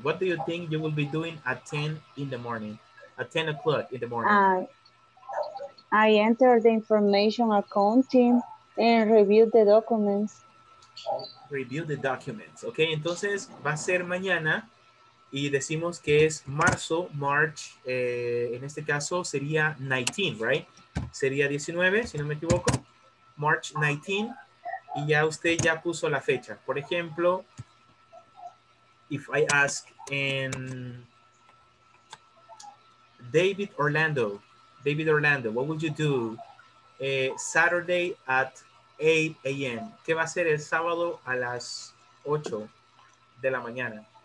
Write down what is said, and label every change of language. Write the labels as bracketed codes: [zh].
[en] What do you think you will be doing at 10 in the morning? At 10 o'clock in the morning. I enter the information accounting and review the documents. Review the documents. [es] Ok, entonces va a ser mañana y decimos que es marzo, March, en este caso sería 19, right? Sería 19, si no me equivoco. March 19, y ya usted ya puso la fecha. Por ejemplo, [en] if I ask in David Orlando, what would you do Saturday at 8 a.m.? [es] ¿Qué va a hacer el sábado a las 8 de la mañana?